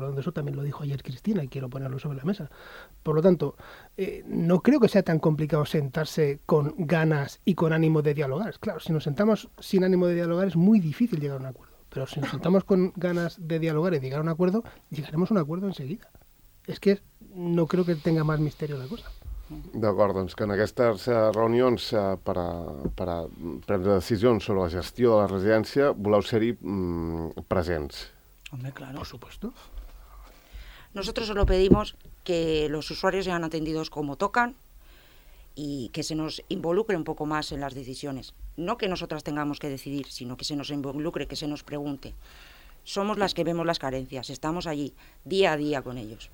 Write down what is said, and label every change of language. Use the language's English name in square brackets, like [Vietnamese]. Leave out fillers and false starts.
[Spanish] Por lo tanto, eso también lo dijo ayer Cristina y quiero ponerlo sobre la mesa. Por lo tanto, no creo que sea tan complicado sentarse con ganas y con ánimo de dialogar. Claro, si nos sentamos sin ánimo de dialogar es muy difícil llegar a un acuerdo. Pero si nos sentamos con ganas de dialogar y llegar a un acuerdo, llegaremos a un acuerdo enseguida. Es que no creo que tenga más misterio la cosa. [Catalan] D'acord, doncs que en aquestes reunions per a prendre decisions sobre la gestió de la residència voleu ser-hi presents. [Spanish] Hombre, claro. Por supuesto. Nosotros solo pedimos que los usuarios sean atendidos como tocan y que se nos involucre un poco más en las decisiones. No que nosotras tengamos que decidir, sino que se nos involucre, que se nos pregunte. Somos las que vemos las carencias, estamos allí día a día con ellos.